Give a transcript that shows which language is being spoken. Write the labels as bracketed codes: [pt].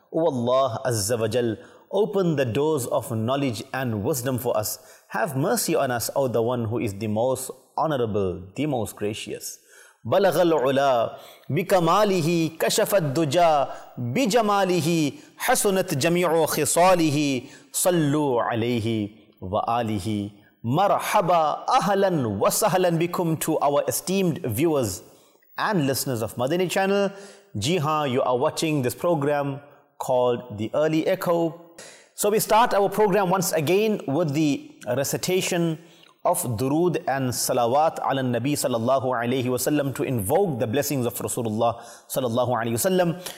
[en] O Allah Azza wa Jal, open the doors of knowledge and wisdom for us. Have mercy on us, O the one who is the most honorable, the most gracious. [ar] بلغ العلا بكماله كشف الدجا بجماله حسنت جميع خصاله صلوا عليه وآله. مرحبا أهلا وسهلا بكم [en] to our esteemed viewers and listeners of Madani Channel. Jiha, you are watching this program called The Early Echo. So we start our program once again with the recitation of Durood and Salawat ala Nabi sallallahu alayhi wasallam to invoke the blessings of Rasulullah sallallahu alayhi wasallam.